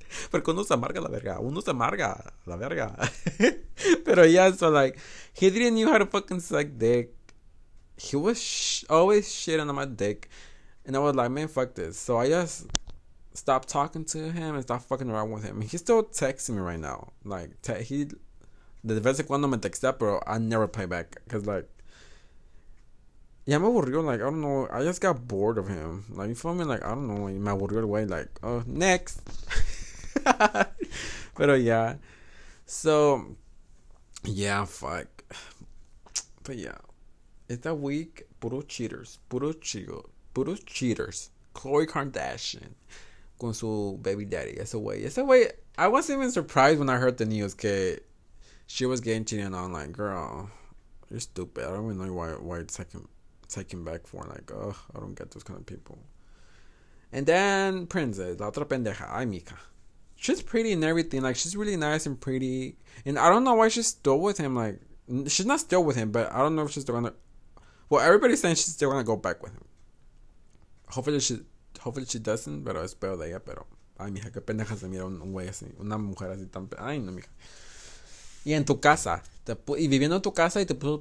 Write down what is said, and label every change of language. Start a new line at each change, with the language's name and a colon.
Spanish: Porque uno se amarga la verga. Uno se amarga la verga.
English: Pero yeah, so like, he didn't know how to fucking suck dick. He was always shitting on my dick. And I was like, man, fuck this. So I just stopped talking to him and stopped fucking around with him. He's still texting me right now. Like, he.
Spanish: De vez en cuando me texta, pero I never play back.
English: Because, like. Ya me aburrió. Like, I don't know. I just got bored of him. Like, you feel me? Like, I don't know. Me aburrió el güey. Like, oh, next. But yeah, so yeah, fuck. But yeah, it's that week. Puro cheaters. Khloe Kardashian con su baby daddy. That's a way. I wasn't even surprised when I heard the news that she was getting cheated on. Like, girl, you're stupid. I don't even know why it's taking back for. Like, ugh, I don't get those kind of people. And then Princess, la otra pendeja, ay mica. She's pretty and everything. Like, she's really nice and pretty. And I don't know why she's still with him. Like, she's not still with him, but I don't know if she's still gonna... Well, everybody's saying she's still gonna go back with him. Hopefully she doesn't, pero espero de ella, pero...
Spanish: Ay, mija, qué pendeja se mira un güey así. Una mujer así tan... Ay, no, mija. Y en tu casa. Y viviendo en tu casa y te puso...